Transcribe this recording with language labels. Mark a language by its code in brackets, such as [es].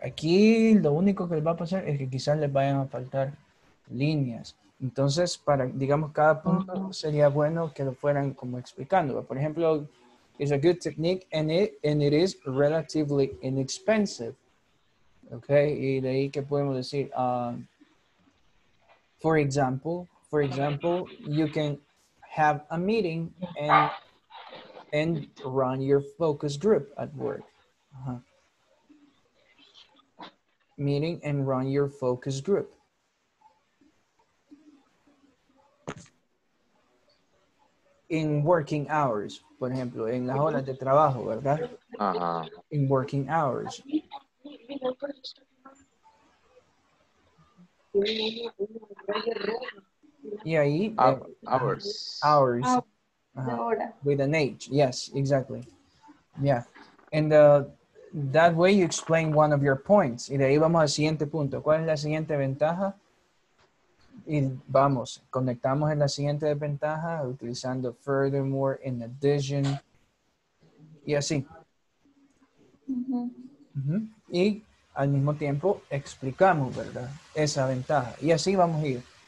[es] Aquí lo único que les va a pasar es que quizás les vayan a faltar líneas. Entonces, para, digamos, cada punto sería bueno que lo fueran como explicando. Por ejemplo, [en] it's a good technique and it is relatively inexpensive. Okay, [es] y de ahí que podemos decir, [en] for example, you can have a meeting and run your focus group at work. Meeting and run your focus group. In working hours, [es] por ejemplo, en las horas de trabajo, ¿verdad? [en] In working hours. Yeah, hours. With an H, yes, exactly. Yeah, and that way you explain one of your points. [es] Y de ahí vamos al siguiente punto. ¿Cuál es la siguiente ventaja? Y vamos, conectamos en la siguiente desventaja utilizando furthermore, in addition, y así. Y al mismo tiempo explicamos, ¿verdad? Esa ventaja. Y así vamos a ir.